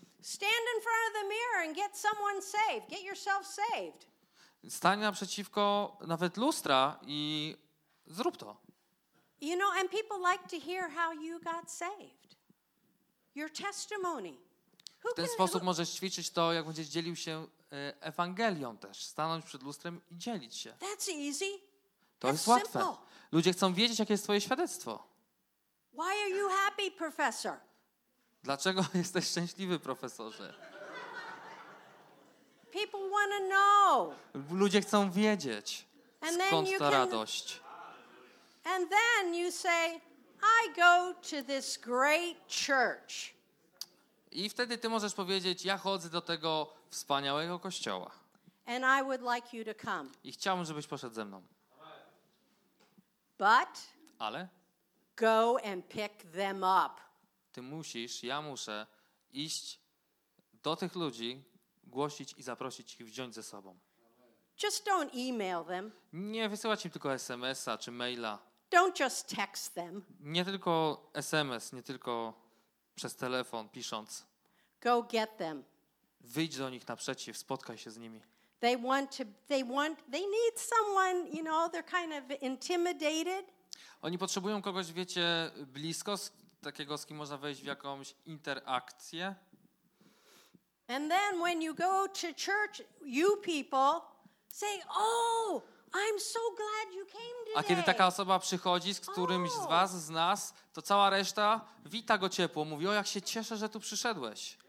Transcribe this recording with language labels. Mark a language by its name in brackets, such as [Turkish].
[English] Stand in front of the mirror and get someone saved. Get yourself saved. [Polish] Stań naprzeciwko nawet lustra i zrób to. [English] You know, and people like to hear how you got saved. Your testimony. [Polish] W ten sposób możesz ćwiczyć to, jak będziesz dzielił się Ewangelią też. Stanąć przed lustrem i dzielić się. [English] That's easy. [Polish] To jest łatwe. Ludzie chcą wiedzieć, jakie jest twoje świadectwo. [English] Why are you happy, professor? [Polish] Dlaczego jesteś szczęśliwy, profesorze? [English] People wanna know. [Polish] Ludzie chcą wiedzieć, skąd ta radość. [English] And then you say, I go to this great church. [Polish] I wtedy ty możesz powiedzieć, ja chodzę do tego wspaniałego kościoła. [English] And I would like you to come. [Polish] I chciałbym, żebyś poszedł ze mną. [English] But [Polish] ale? [English] Go and pick them up. [Polish] Ty musisz, ja muszę iść do tych ludzi, głosić i zaprosić ich, wziąć ze sobą. [English] Just don't email them. [Polish] Nie wysyłać im tylko SMS-a czy maila. [English] Don't just text them. [Polish] Nie tylko SMS, nie tylko przez telefon pisząc. [English] Go get them. [Polish] Wyjdź do nich naprzeciw, spotkaj się z nimi. [English] They need someone, you know, they're kind of intimidated. [Polish] Oni potrzebują kogoś, wiecie, blisko, takiego, z kim można wejść w jakąś interakcję. [English] And then when you go to church, you people say, oh, I'm so glad you came today. [Polish] A kiedy taka osoba przychodzi z którymś z was, z nas, to cała reszta wita go ciepło, mówi, o, jak się cieszę, że tu przyszedłeś.